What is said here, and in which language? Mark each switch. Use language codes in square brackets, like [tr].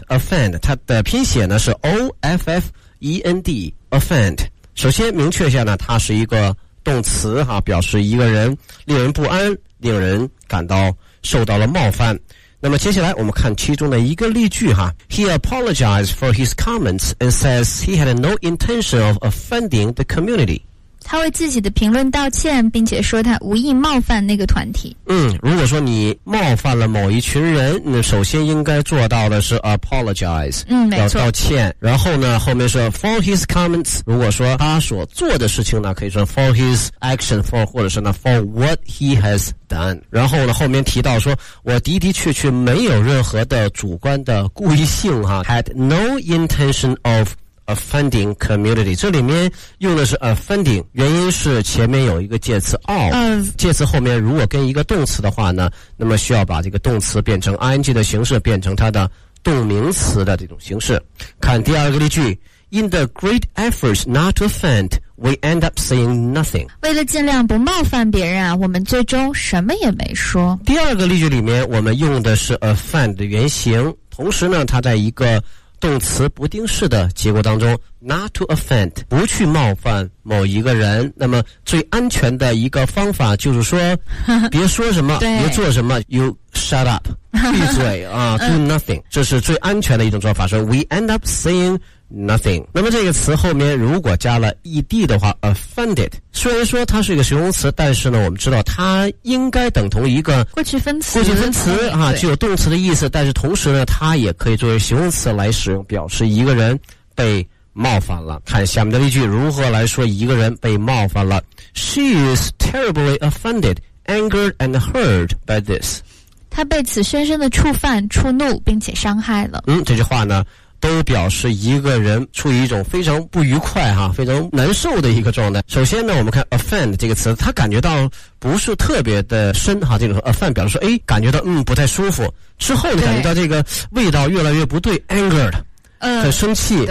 [zh] Offend， 它的拼写呢是 O-F-F-E-N-D。 Offend， 首先明确一下呢，它是一个动词哈，表示一个人令人不安，令人感到受到了冒犯。那么接下来我们看其中的一个例句哈。 [en] He apologized for his comments and says he had no intention of offending the community. [zh] 他为自己的评论道歉，并且说他无意冒犯那个团体。如果说你冒犯了某一群人，那首先应该做到的是 apologize。没错，要道歉。然后呢，后面说 [en] for his comments， [zh] 如果说他所做的事情呢，可以说 [en] for his action， [zh] for 或者是呢 [en] for what he has done。 [zh] 然后呢，后面提到说我的的确确没有任何的主观的故意性哈。 [en] Had no intention of offending community， [zh] 这里面用的是 offending， 原因是前面有一个介词 of， 介词后面如果跟一个动词的话呢，那么需要把这个动词变成 ing 的形式，变成它的动名词的这种形式。看第二个例句， [en] In the great efforts not to offendWe end up saying nothing. [zh] 为了尽量不冒犯别人啊，我们最终什么也没说。第二个例句里面，我们用的是 offend 的原型，同时呢，它在一个动词不定式的结构当中， [en] not to offend， [zh] 不去冒犯某一个人。那么最安全的一个方法就是说，别说什么，别做什么， [en] you shut up， [zh] 闭嘴啊， [en] do nothing， [zh] 这是最安全的一种做法。说 [en] we end up saying nothing。 [zh] 那么这个词后面如果加了 ed 的话， offended， 虽然说它是一个形容词，但是呢，我们知道它应该等同一个过去分词，过去分词啊，具有动词的意思，但是同时呢，它也可以作为形容词来使用，表示一个人被冒犯了。看下面的例句，如何来说一个人被冒犯了。 [en] She is terribly offended, angered and hurt by this. [zh] 她被此深深的触犯、触怒并且伤害了。这句话呢都表示一个人处于一种非常不愉快哈，非常难受的一个状态。首先呢，我们看 offend 这个词，他感觉到不是特别的深哈，这种 offend 表示说，感觉到不太舒服，之后呢感觉到这个味道越来越不对， angered， 很生气，